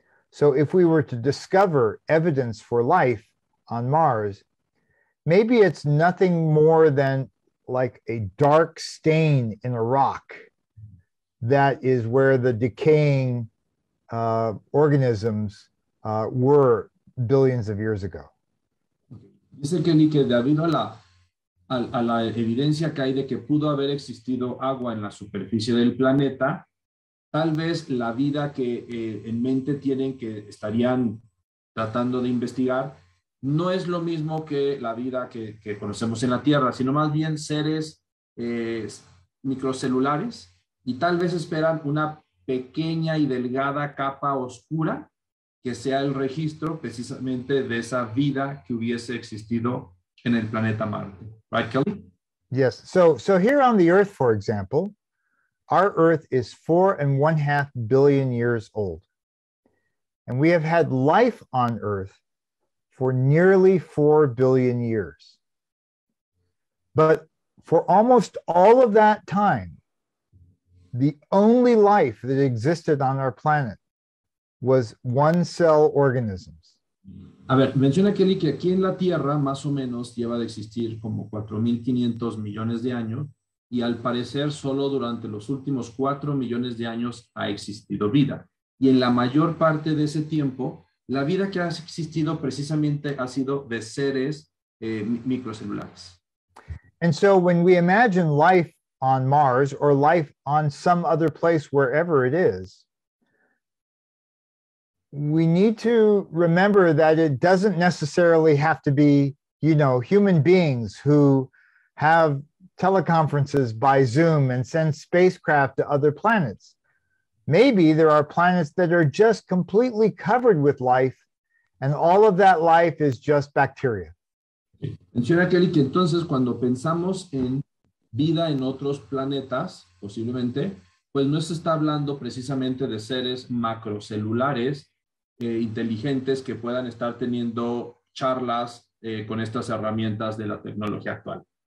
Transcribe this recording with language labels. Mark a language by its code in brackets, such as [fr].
[en] So if we were to discover evidence for life on Mars, maybe it's nothing more than like a dark stain in a rock that is where the decaying organisms were billions of years ago. [es] Dice Kenny que debido a la evidencia que hay de que pudo haber existido agua en la superficie del planeta, tal vez la vida que en mente tienen que estarían tratando de investigar no es lo mismo que la vida que conocemos en la Tierra, sino más bien seres microcelulares y tal vez esperan una pequeña y delgada capa oscura que sea el registro precisamente de esa vida que hubiese existido en el planeta Marte. [en] Right, Kelly? Yes. So here on the Earth, for example, our Earth is 4.5 billion years old. And we have had life on Earth for nearly 4 billion years. But for almost all of that time, the only life that existed on our planet was one-cell organisms. [es] A ver, menciona Kelly que aquí en la Tierra más o menos lleva de existir como 4.500 millones de años y al parecer solo durante los últimos 4 millones de años ha existido vida. Y en la mayor parte de ese tiempo, la vida que ha existido precisamente ha sido de seres microcelulares. [en] And so when we imagine life on Mars or life on some other place wherever it is, we need to remember that it doesn't necessarily have to be, you know, human beings who have teleconferences by Zoom and send spacecraft to other planets. Maybe there are planets that are just completely covered with life, and all of that life is just bacteria. [es] Menciona Kelly que entonces cuando pensamos en vida en otros planetas, posiblemente, pues no se está hablando precisamente de seres macrocelulares inteligentes que puedan estar teniendo charlas con estas herramientas de la tecnología actual.